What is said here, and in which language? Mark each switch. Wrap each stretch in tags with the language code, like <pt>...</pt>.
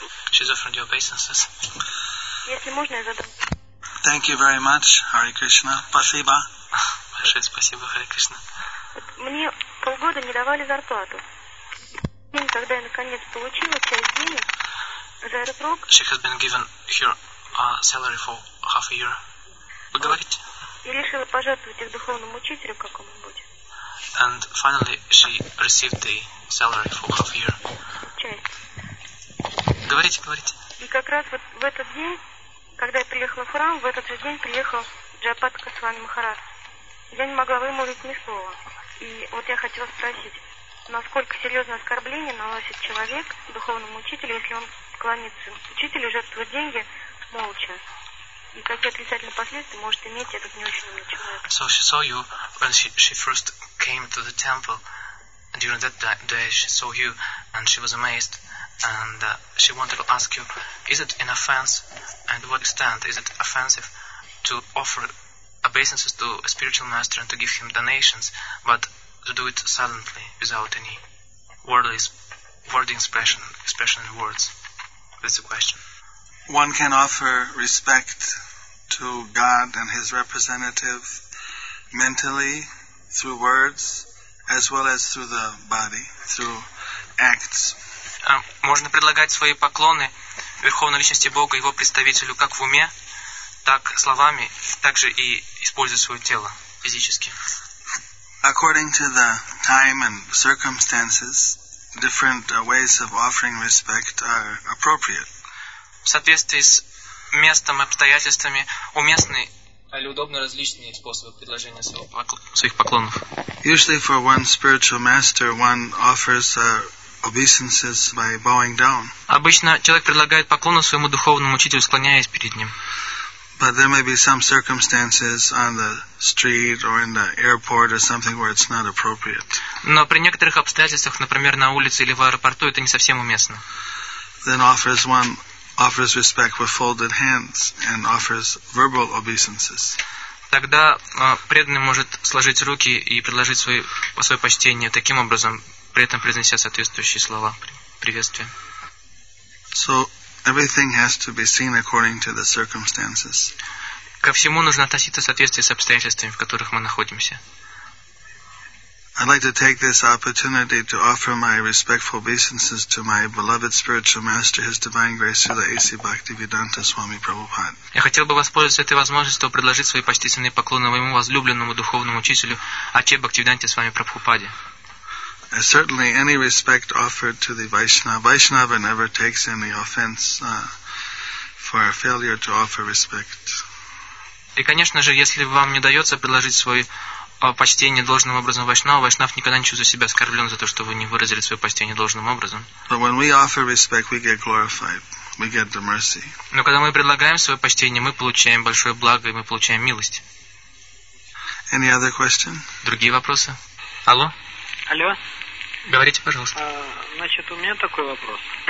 <ru>Если можно, я задам.</ru> <en>Thank you very much, Hare Krishna.</en> <ru>Спасибо. Большое спасибо, Hare Krishna. Мне полгода не давали зарплату. День, когда я наконец получила часть денег за этот рок.</ru> <en>She has been given her salary for half a year.</en> <ru>Вы говорите? И решила пожертвовать их духовному учителю какому-нибудь.</ru> <en>And finally, she received the salary for half a year.</en> <ru>Говорите, говорите. И как раз вот в этот день, когда я приехала в храм, в этот же день приехал Джаяпатака Свами Махарадж. Я не могла вымолвить ни слова. И вот я хотела спросить, насколько серьезное оскорбление наносит человек духовному учителю, если он кланяется учителю, жертвует деньги молча. И какие отрицательные последствия может иметь этот не очень умный человек.</ru> <en>So she saw you when she first came to the temple. During that day she saw you and she was amazed. And she wanted to ask you, is it an offense, and to what extent is it offensive to offer obeisances to a spiritual master and to give him donations, but to do it silently, without any word expression in words? That's the question. One can offer respect to God and his representative mentally, through words, as well as through the body, through acts.</en> <ru>Можно предлагать свои поклоны Верховной Личности Бога, Его представителю, как в уме, так словами, так же и используя свое тело физически.</ru> <en>According to the time and circumstances, different ways of offering respect are appropriate.</en> <ru>В соответствии с местом и обстоятельствами уместны или удобны различные способы предложения своих поклонов.</ru> <en>Usually for one spiritual master, one offers a obeisances by bowing down.</en> <ru>Обычно человек предлагает поклоны своему духовному учителю, склоняясь перед ним.</ru> <en>But there may be some circumstances on the street or in the airport or something where it's not appropriate.</en> <ru>Но при некоторых обстоятельствах, например, на улице или в аэропорту, это не совсем уместно.</ru> <en>Then offers one offers respect with folded hands and offers verbal obeisances.</en> <ru>Тогда преданный может сложить руки и предложить свое почтение таким образом, при этом произнеся соответствующие слова приветствия.</ru> <en>So everything has to be seen according to the circumstances.</en> <ru>Ко всему нужно относиться в соответствии с обстоятельствами, в которых мы находимся.</ru> <en>I'd like to take this opportunity to offer my respectful obeisances to my beloved spiritual master, His Divine Grace, Srila A.C. Bhaktivedanta Swami Prabhupada.</en> <ru>Я хотел бы воспользоваться этой возможностью, предложить свои почтительные поклоны моему возлюбленному духовному учителю, Ачей Бхактивиданте Свами Прабхупаде.</ru> <en>Certainly, any respect offered to the Vaishnava never takes any offense for a failure to offer respect.</en> <ru>И, конечно же, если вам не дается предложить свой почтение должным образом Вайшнава, Вайшнав никогда не чувствует себя оскорблен за то, что вы не выразили свое почтение должным образом.</ru> <en>But when we offer respect, we get glorified. We get the mercy.</en> <ru>Но когда мы предлагаем свое почтение, мы получаем большое благо и мы получаем милость.</ru> <en>Any other question?</en> <ru>Другие вопросы? Алло? Алло? Говорите, пожалуйста. Значит, у меня такой вопрос.</ru>